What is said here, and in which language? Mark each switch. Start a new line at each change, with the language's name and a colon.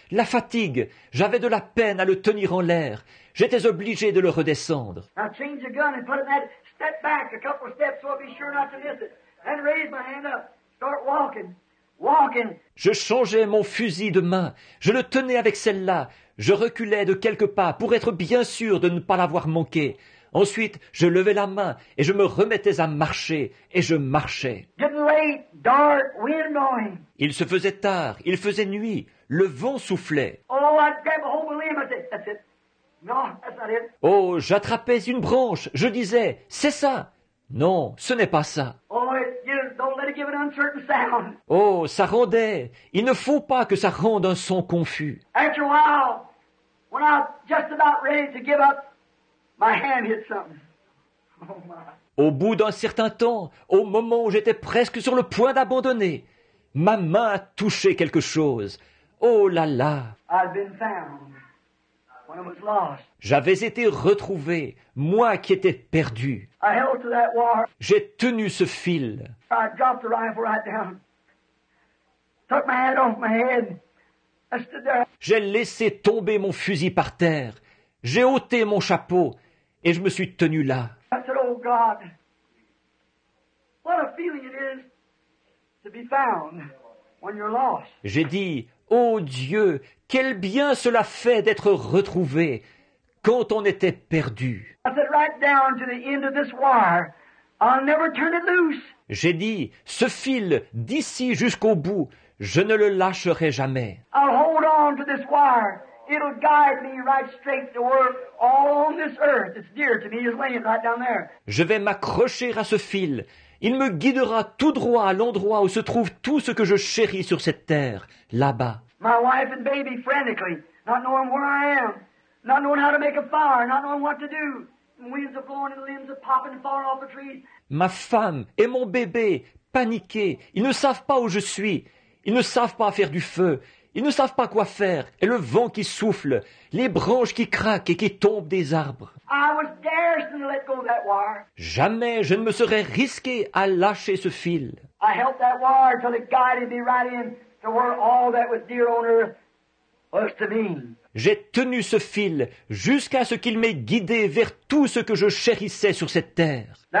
French: La fatigue, j'avais de la peine à le tenir en l'air. J'étais obligé de le redescendre.
English: I changed the gun and put it in that step back a couple of steps so I'll be sure not to miss it. And raise my hand up, start walking. Walking.
French: Je changeais mon fusil de main. Je le tenais avec celle-là. Je reculais de quelques pas pour être bien sûr de ne pas l'avoir manqué. Ensuite, je levais la main et je me remettais à marcher. Et je marchais.
English: Getting late, dark, wind going.
French: Il se faisait tard. Il faisait nuit. Le vent soufflait.
English: Oh, I grabbed a hold of a limb. That's it. No, that's not it.
French: Oh, j'attrapais une branche. Je disais, c'est ça. Non, ce n'est pas ça.
English: Oh, give an uncertain sound.
French: Oh, ça rendait. Il ne faut pas que ça rende un son confus.
English: After a while, when I was just about ready to give up, my hand hit something. Oh my.
French: Au bout d'un certain temps, au moment où j'étais presque sur le point d'abandonner, ma main a touché quelque chose. Oh là là.
English: I've been found when I was lost.
French: J'avais été retrouvé, moi qui étais perdu.
English: I held to that wire.
French: J'ai tenu ce fil.
English: I dropped the rifle right down. Took my hat off my head. I stood there.
French: J'ai laissé tomber mon fusil par terre. J'ai ôté mon chapeau et je me suis tenu là.
English: I said, oh God, what a feeling it is to be found when you're lost.
French: J'ai dit, oh Dieu, quel bien cela fait d'être retrouvé quand on était perdu.
English: I said, right down to the end of this wire, I'll never turn it loose.
French: J'ai dit, ce fil, d'ici jusqu'au bout, je ne le lâcherai jamais.
English: I'll hold on to this wire. It'll guide me right straight to where all on this earth that's dear to me is laying right down there.
French: Je vais m'accrocher à ce fil. Il me guidera tout droit à l'endroit où se trouve tout ce que je chéris sur cette terre, là-bas.
English: My wife and baby frantically, not knowing where I am, not knowing how to make a fire, not knowing what to do. Winds are blowing and limbs are popping far off the trees.
French: Ma femme et mon bébé, paniqués, ils ne savent pas où je suis. Ils ne savent pas faire du feu. Ils ne savent pas quoi faire. Et le vent qui souffle, les branches qui craquent et qui tombent des arbres.
English: I was daring to let go of that wire.
French: Jamais je ne me serais risqué à lâcher ce fil.
English: I held that wire till it guided me right in to where all that was dear on earth was to me.
French: J'ai tenu ce fil jusqu'à ce qu'il m'ait guidé vers tout ce que je chérissais sur cette terre.